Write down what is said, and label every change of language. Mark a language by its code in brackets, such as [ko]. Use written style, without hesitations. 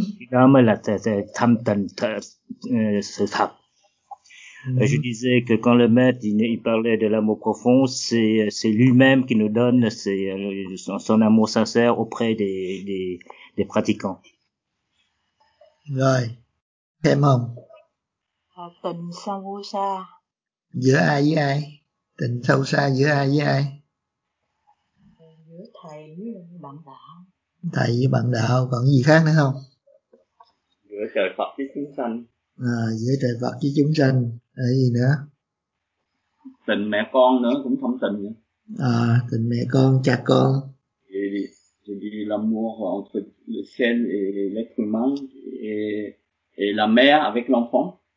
[vi] Đó mới là thâm tình sự thật. [fr] Je disais que quand le maître il parlait de l'amour profond, c'est lui-même qui nous donne son amour sincère auprès des pratiquants. [vi] Rồi, thêm không? Tình sâu xa. Giữa ai với ai? Tình sâu xa giữa ai với ai? Giữa thầy với bạn đạo. Thầy với bạn đạo, còn gì khác nữa không? Giữa trời Phật với chúng sanh. Giữa trời Phật với chúng sanh, là gì nữa? Tình mẹ con nữa, cũng thâm tình nữa. Tình mẹ con, cha con. [fr] Et l'amour entre le ciel et l'être humain et la mère avec l'enfant.